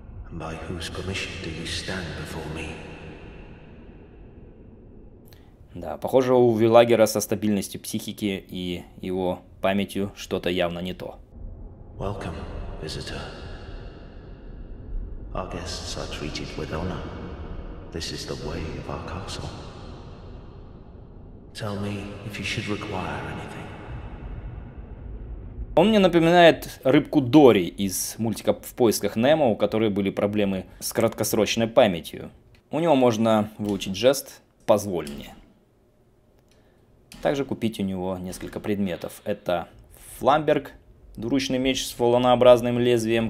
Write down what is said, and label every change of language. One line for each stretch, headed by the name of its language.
English: And by whose permission do you stand before me?
Russian: Да, похоже, у Велагера со стабильностью психики и его памятью что-то явно не то.
English: Welcome, visitor. Our guests are treated with honor. This is the way of our castle. Tell me if you should require anything.
Russian: Он мне напоминает рыбку Дори из мультика «В поисках Немо», у которой были проблемы с краткосрочной памятью. У него можно выучить жест «Позволь мне». Также купить у него несколько предметов. Это фламберг, двуручный меч с фаланообразным лезвием.